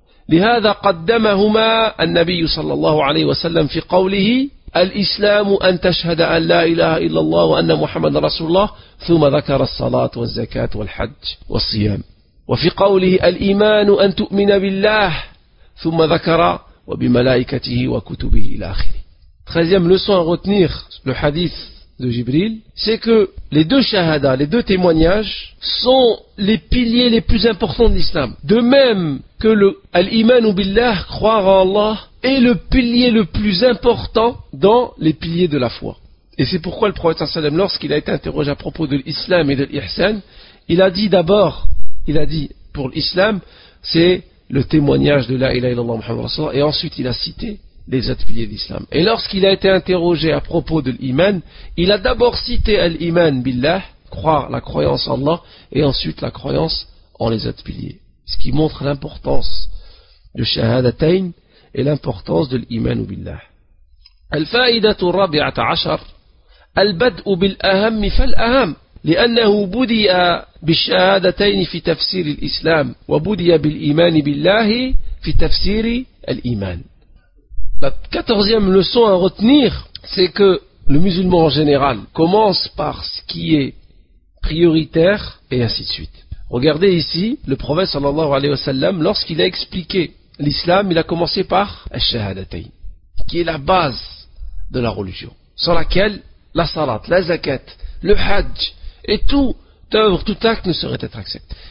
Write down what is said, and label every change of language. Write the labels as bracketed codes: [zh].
[ar] لهذا قدمهما النبي صلى الله عليه وسلم في قوله الإسلام أن تشهد أن لا إله إلا الله وأن محمد رسول الله ثم ذكر الصلاة والزكاة والحج والصيام وفي قوله الإيمان أن تؤمن بالله ثم ذكر وبملائكته وكتبه إلى آخره. [fr] Treizième leçon à retenir le hadith de Jibril, c'est que les deux shahada, les deux témoignages sont les piliers les plus importants de l'islam. De même que le al-iman ou billah, croire en Allah, est le pilier le plus important dans les piliers de la foi. Et c'est pourquoi le prophète sallam, lorsqu'il a été interrogé à propos de l'islam et de l'ihsan, il a dit d'abord, il a dit pour l'islam, c'est le témoignage de [ar] la ilaha illallah Muhammad Rasulullah, [fr] et ensuite il a cité les autres piliers d'islam. Et lorsqu'il a été interrogé à propos de l'iman, il a d'abord cité l'iman billah, croire, la croyance en Allah, et ensuite la croyance en les autres piliers. Ce qui montre l'importance de shahadatayn et l'importance de l'iman billah. [ar] الفائده الرابعه عشر البدء بالاهم فالاهم لانه بدي بالشهادتين في تفسير الاسلام وبدي بالايمان بالله في تفسير الايمان. [fr] La quatorzième leçon à retenir, c'est que le musulman en général commence par ce qui est prioritaire et ainsi de suite. Regardez ici, le prophète sallallahu alayhi wa sallam, lorsqu'il a expliqué l'islam, il a commencé par الشهادتين, qui est la base de la religion, sans laquelle la salat, la zakat, le hajj et tout œuvre, tout acte ne saurait être accepté.